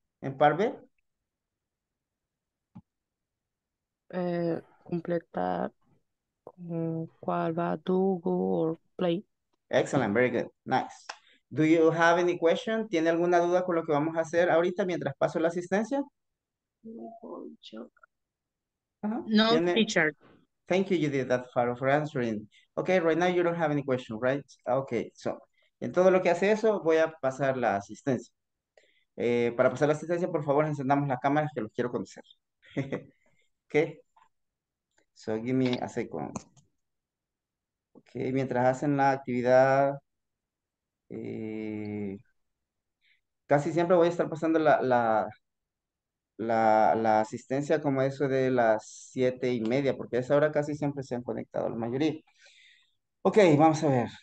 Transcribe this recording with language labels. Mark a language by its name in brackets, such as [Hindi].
[Spanish] En part B. Completar cuál va, do, go, or play. [English] Excellent, very good, nice. Do you have any question? [Spanish] ¿Tiene alguna duda con lo que vamos a hacer ahorita mientras paso la asistencia? [English] Uh-huh. No, teacher. Thank you, you did that far for answering. Okay, right now you don't have any question, right? Okay, so, [Spanish] en todo lo que hace eso, voy a pasar la asistencia. Para pasar la asistencia, por favor, encendamos la cámara, que los quiero conocer. Okay. [English] So, give me a second. [Spanish] Okay, mientras hacen la actividad, casi siempre voy a estar pasando la asistencia como eso de las 7:30, porque a esa hora casi siempre se han conectado la mayoría. Ok, vamos a ver.